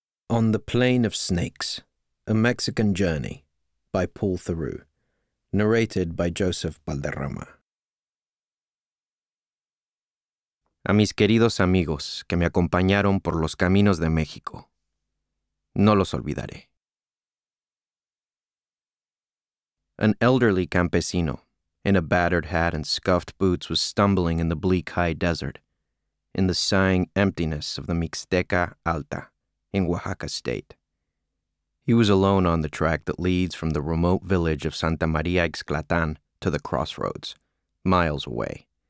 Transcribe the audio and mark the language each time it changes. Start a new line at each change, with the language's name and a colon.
English: On the Plain of Snakes, A Mexican Journey by Paul Theroux, narrated by Joseph Balderrama.
Spanish: A mis queridos amigos que me acompañaron por los caminos de México, no los olvidaré.
English: An elderly campesino, in a battered hat and scuffed boots, was stumbling in the bleak high desert, in the sighing emptiness of the Mixteca Alta, in Oaxaca State. He was alone on the track that leads from the remote village of Santa Maria Ixclatan to the crossroads, miles away.